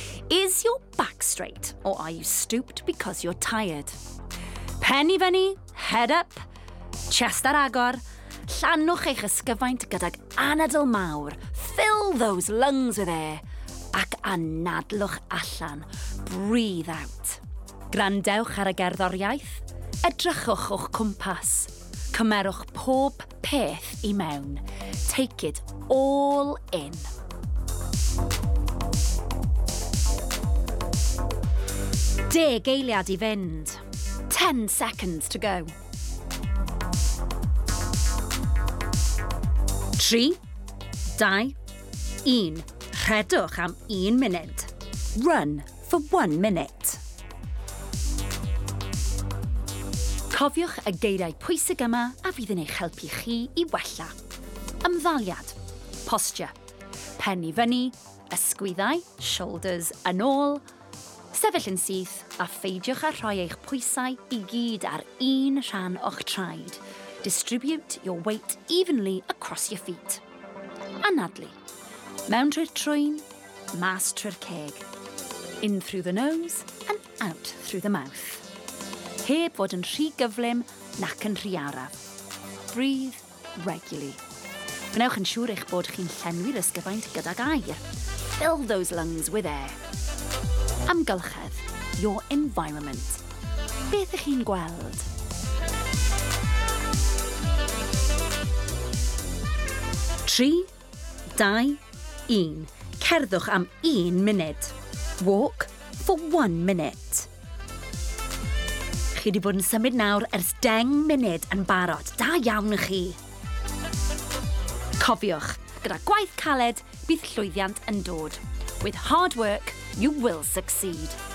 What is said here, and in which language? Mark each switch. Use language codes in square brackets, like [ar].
[en] Is your back straight or are you stooped because you're tired? [cy] Pen I fyny, [en] head up, [cy] chest ar agor. Llanwch eich ysgyfaint gydag anadl mawr. [en] Fill those lungs with air [cy] ac anadlwch allan. [en] Breathe out. [cy] Grandewch ar y gerddoriaeth. Edrychwch o'ch cwmpas. Cymerwch pob peth I mewn. [en] Take it all in. [cy] Deg eiliad I fynd. [en] 10 seconds to go. [cy] 3, 2, 1. Rhedwch am 1 minute. [en] Run for 1 minute. [cy] Cofiwch y geiriau pwysig yma a fydd yn eich helpu chi I wella. Ymddaliad. Posture. Pen I fyny. Ysgwyddau. Shoulders yn ôl. Sefyll yn syth a pheidiwch â rhoi eich pwysau I gyd ar un rhan o'ch traed. [en] Distribute your weight evenly across your feet. [cy] Anadlu. Mewn trwy'r trwyn, mas trwy'r ceg. [en] In through the nose and out through the mouth. [cy] Heb fod yn rhy gyflym nac yn rhy araf. [en] Breathe regularly. [cy] Gwnewch yn siŵr eich bod chi'n llenwi'r ysgyfaint gydag air. [en] Fill those lungs with air. amgylchedd, your environment. [cy] Beth ych chi'n gweld? Tri, dau, un. Cerddwch am un munud. [en] Walk for 1 minute. [cy] Chi wedi bod yn symud nawr ers 10 munud yn barod. Da iawn ych chi. Cofiwch, gyda gwaith caled, bydd llwyddiant yn dod. [en] With hard work, you will succeed.